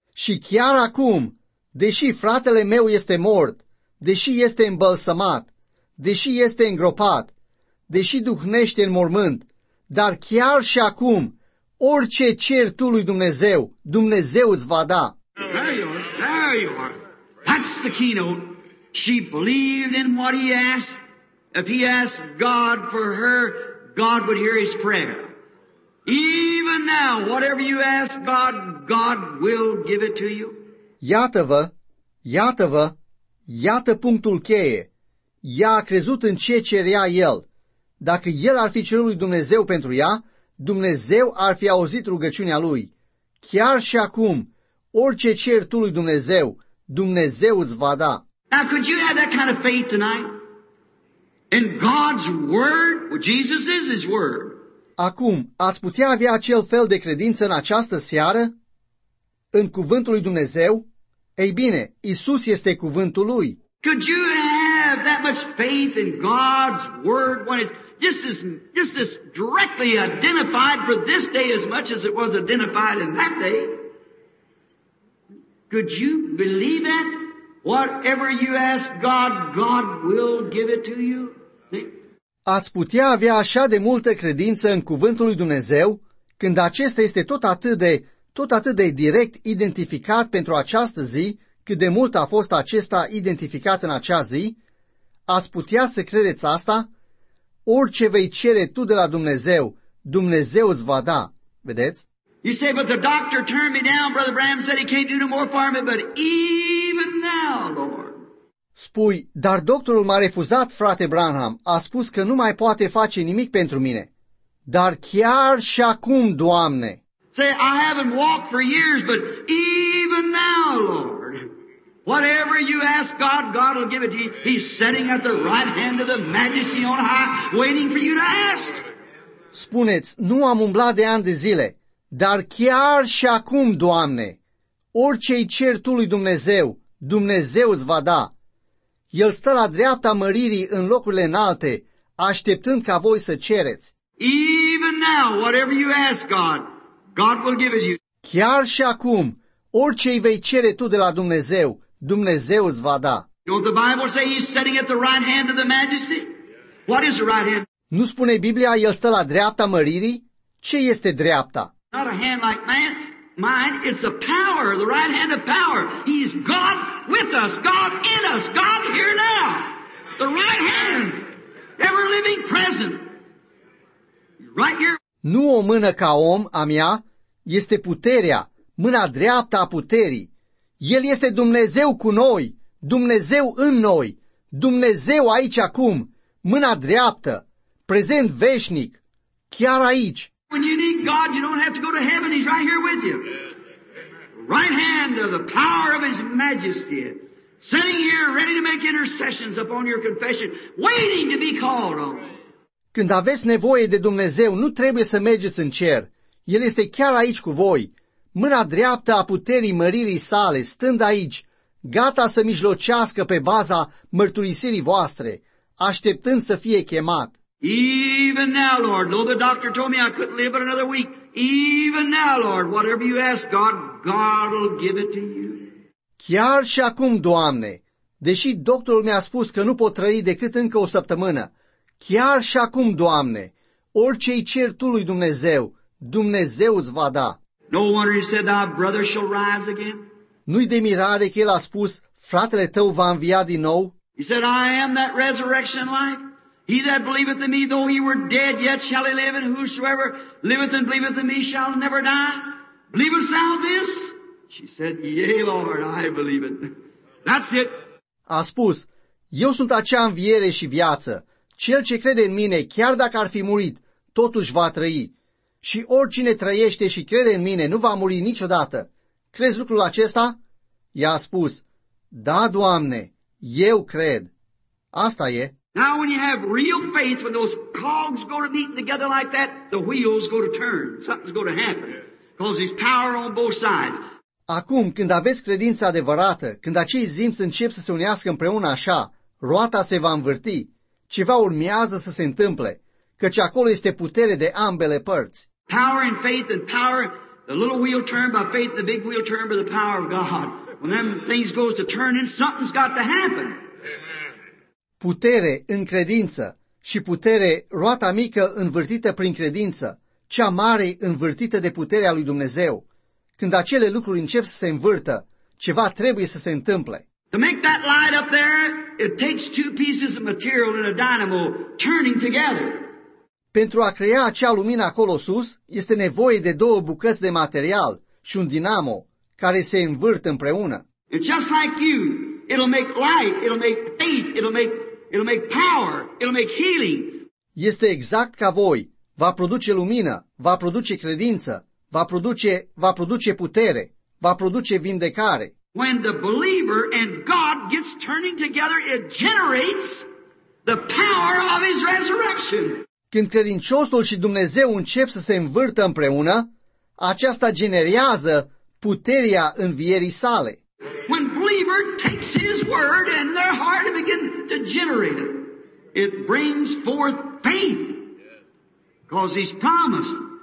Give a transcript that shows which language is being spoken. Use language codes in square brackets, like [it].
[ro] Și chiar acum, deși fratele meu este mort, deși este îmbălsămat, deși este îngropat, deși duhnește în mormânt, dar chiar și acum, orice cer tu lui Dumnezeu, Dumnezeu îți va da. [en] There you are, there you are. That's the keynote. She believed in what he asked. If he asked God for her, God would hear his prayer. Even now, whatever you ask God, God will give it to you. [ro] Iată-vă, iată punctul cheie. Ea a crezut în ce cerea el. Dacă el ar fi cerut lui Dumnezeu pentru ea, Dumnezeu ar fi auzit rugăciunea lui. Chiar și acum, orice cer tu lui Dumnezeu, Dumnezeu îți va da. [en] Now, could you have that kind of faith tonight? In God's word? Well, Jesus is his word. [ro] Acum, ați putea avea acel fel de credință în această seară? În cuvântul lui Dumnezeu? Ei bine, Iisus este cuvântul lui. [en] Could you have that much faith in God's word when it's just as directly identified for this day as much as it was identified in that day? Could you believe that? Whatever you ask God, God will give it to you. [ro] Ați putea avea așa de multă credință în cuvântul lui Dumnezeu când acesta este tot atât de direct identificat pentru această zi, cât de mult a fost acesta identificat în acea zi, ați putea să credeți asta? Orice vei cere tu de la Dumnezeu, Dumnezeu îți va da. Vedeți? [en] You say, but the doctor turned me down, Brother Bram said he can't do no more for me, but even now, Lord. [ro] Spui, dar doctorul m-a refuzat, frate Branham, a spus că nu mai poate face nimic pentru mine. Dar chiar și acum, Doamne. [en] Say, I haven't walked for years, but even now, Lord. Whatever you ask God, God will give it to you. He's sitting at the right hand of the majesty on high, waiting for you to ask. [ro] Spuneți, nu am umblat de ani de zile, dar chiar și acum, Doamne, orice-i cer tu lui Dumnezeu, Dumnezeu îți va da. El stă la dreapta măririi în locurile înalte, așteptând ca voi să cereți. [en] Even now, whatever you ask God, God will give it you. [ro] Chiar și acum, orice îi vei cere tu de la Dumnezeu, Dumnezeu îți va da. [en] Don't the Bible say he's sitting at the right hand of the majesty? What is the right hand? [ro] Nu spune Biblia, el stă la dreapta măririi? Ce este dreapta? [en] Not a hand like man, mine, it's a power, the right hand of power. He's God with us, God in us, God here now. The right hand, ever living present. Right here. [ro] Nu o mână ca om, a mea, este puterea, mâna dreaptă a puterii. El este Dumnezeu cu noi, Dumnezeu în noi, Dumnezeu aici acum, mâna dreaptă, prezent veșnic, chiar aici. [en] When you need God, you don't have to go to heaven, he's right here with you. Right hand of the power of his majesty, sitting here ready to make intercessions upon your confession, waiting to be called on. [ro] Când aveți nevoie de Dumnezeu, nu trebuie să mergeți în cer. El este chiar aici cu voi, mâna dreaptă a puterii măririi sale, stând aici, gata să mijlocească pe baza mărturisirii voastre, așteptând să fie chemat. [en] Even now, Lord, though the doctor told me I couldn't live but another week, even now, Lord, whatever you ask God, God will give it to you. [ro] Chiar și acum, Doamne, deși doctorul mi-a spus că nu pot trăi decât încă o săptămână, chiar și acum, Doamne, orice-i cer tu lui Dumnezeu, Dumnezeu îți va da. [en] No wonder he said, thy brother shall rise again. [ro] Nu-i de mirare că el a spus, fratele tău va învia din nou? [en] He said, I am that resurrection life. He that believeth in me, though he were dead, yet shall he live, and whosoever liveth and believeth in me shall never die. Believest thou this? She said, yea, Lord, I believe it. That's it. [ro] A spus, eu sunt acea înviere și viață. Cel ce crede în mine, chiar dacă ar fi murit, totuși va trăi. Și oricine trăiește și crede în mine, nu va muri niciodată. Crezi lucrul acesta? I-a spus, da, Doamne, eu cred. Asta e. [en] Now when you have real faith, when those cogs go to meet together like that, the wheels go to turn. Something's going to happen. Because there's power on both sides. [ro] Acum, când aveți credința adevărată, când acei zimți încep să se unească împreună așa, roata se va învârti. Ceva urmează să se întâmple, căci acolo este putere de ambele părți. [en] Power and faith and power, the little wheel turned by faith, the big wheel turned by the power of God. When them things goes to turn in, something's got to happen. [ro] Putere în credință și putere, roata mică învârtită prin credință, cea mare învârtită de puterea lui Dumnezeu. Când acele lucruri încep să se învârtă, ceva trebuie să se întâmple. [en] To make that light up there, it takes two pieces of material and a dynamo turning together. [ro] Pentru a crea acea lumină acolo sus, este nevoie de două bucăți de material și un dinamo care se învârt împreună. [en] It's just like you. It'll make light, it'll make faith, it'll make power, it'll make healing. [ro] Este exact ca voi. Va produce lumină, va produce credință, va produce putere, va produce vindecare. [en] When the believer and God gets turning together, it generates the power of his resurrection. [ro] Când credinciosul și Dumnezeu încep să se învârtă împreună, aceasta generează puterea învierii sale. [en] When believer takes his word and their heart begin to generate it, it brings forth faith, because he's promised.